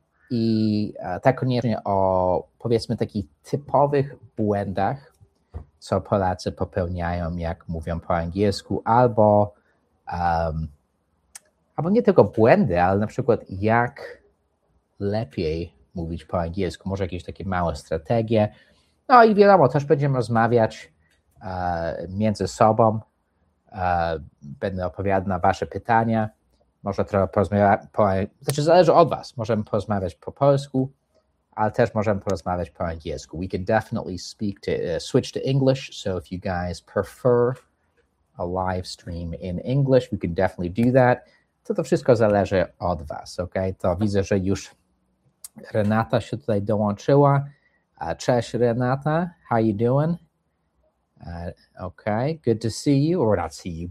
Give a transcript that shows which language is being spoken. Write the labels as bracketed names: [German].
[Polish] I tak koniecznie o, powiedzmy, takich typowych błędach, co Polacy popełniają, jak mówią po angielsku, albo nie tylko błędy, ale na przykład jak lepiej mówić po angielsku, może jakieś takie małe strategie. No i wiadomo, też będziemy rozmawiać między sobą, będę odpowiadał na wasze pytania. Może trochę porozmawiać znaczy zależy od was. Możemy porozmawiać po polsku, ale też możemy porozmawiać po angielsku. [English] We can definitely speak to switch to English. So if you guys prefer a live stream in English, we can definitely do that. [Polish] To wszystko zależy od was, okay? To widzę, że już Renata się tutaj dołączyła. Cześć [English] Renata, how you doing? Okay, good to see you, or not see you.